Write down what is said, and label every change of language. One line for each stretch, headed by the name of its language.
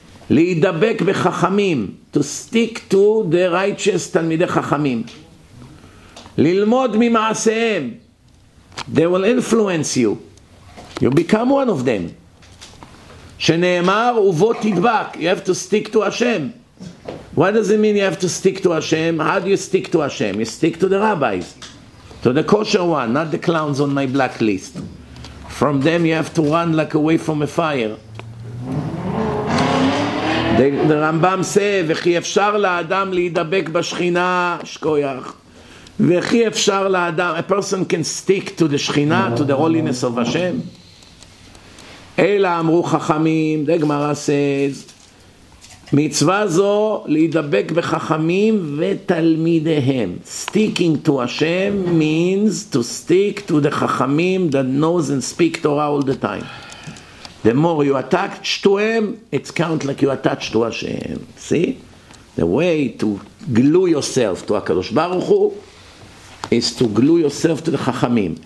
Hebrew: להידבק בחכמים,
English: to stick to the righteous
Hebrew: תלמידי חכמים, ללמוד ממעשיהם,
English: they will influence you, you become one of them,
Hebrew: שנאמר ובו תדבק,
English: you have to stick to Hashem. What does it mean you have to stick to Hashem? How do you stick to Hashem? You stick to the rabbis, to the kosher one, not the clowns on my black list. From them you have to run like away from a fire. The Rambam says,
Hebrew: וכי אפשר לאדם להידבק בשכינה, שכוח. וכי אפשר לאדם,
English: a person can stick to the שכינה, to the holiness of Hashem.
Hebrew: אלא אמרו חכמים,
English: the Gemara says,
Hebrew: מצווה זו להידבק בחכמים ותלמידיהם.
English: Sticking to Hashem means to stick to the חכמים that knows and speak Torah all the time. The more you attach to him, it's count like you attach to Hashem. See? The way to glue yourself to HaKadosh Baruch Hu is to glue yourself to the Chachamim.